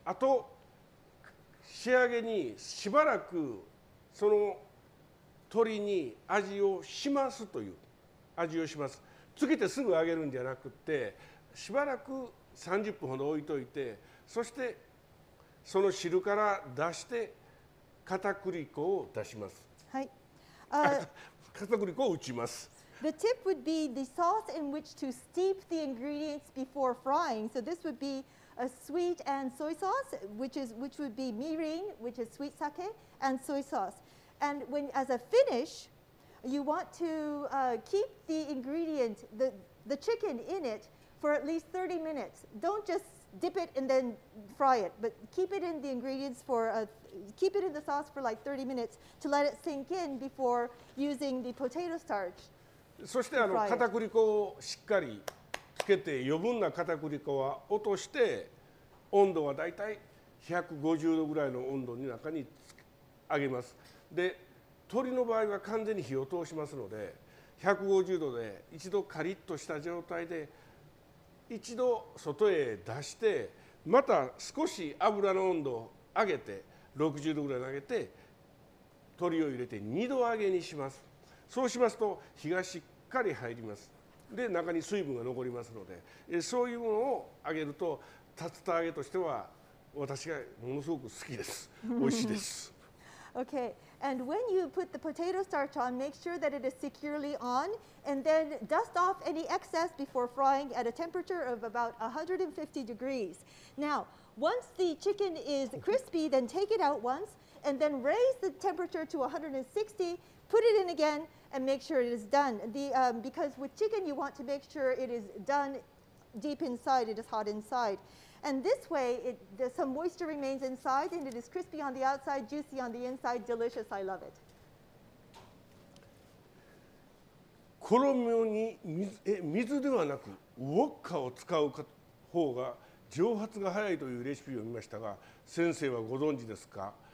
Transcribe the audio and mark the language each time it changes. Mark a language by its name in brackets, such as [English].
[Japanese] あと仕上げにしばらくその鶏に味をしますという味をします。つけてすぐ揚げるんじゃなくてしばらく30分ほど置いといて、そしてその汁から出して片栗粉を出します。はい、片栗粉を打ちます。 [English] The tip would be the sauce in which to steep the ingredients before frying. So this would beA sweet and soy sauce, which would be mirin, which is sweet sake, and soy sauce. And when as a finish, you want to keep the ingredient, the chicken in it for at least 30 minutes. Don't just dip it and then fry it, but keep it in the ingredients for, keep it in the sauce for like 30 minutes to let it sink in before using the potato starch. [Japanese] そしてあの片栗粉をしっかりつけて余分な片栗粉は落として温度はだいたい150度ぐらいの温度の中に揚げます。で、鶏の場合は完全に火を通しますので150度で一度カリッとした状態で一度外へ出してまた少し油の温度を上げて60度ぐらい上げて鶏を入れて2度揚げにします。そうしますと火がしっかり入ります。で、中に水分が残りますので、そういうものを揚げると、竜田揚げとしては私がものすごく好きです。美味しいです。 [English] Okay, and when you put the potato starch on, make sure that it is securely on, and then dust off any excess before frying at a temperature of about 150 degrees. Now, once the chicken is crispy, then take it out once, and then raise the temperature to 160, put it in again,And make sure it is done. Because with chicken, you want to make sure it is done deep inside, it is hot inside. And this way, some moisture remains inside, and it is crispy on the outside, juicy on the inside, delicious. I love it. [Japanese] 衣に 水ではなく、ウォッカを使う方が蒸発が早いというレシピを見ましたが、先生はご存知ですか？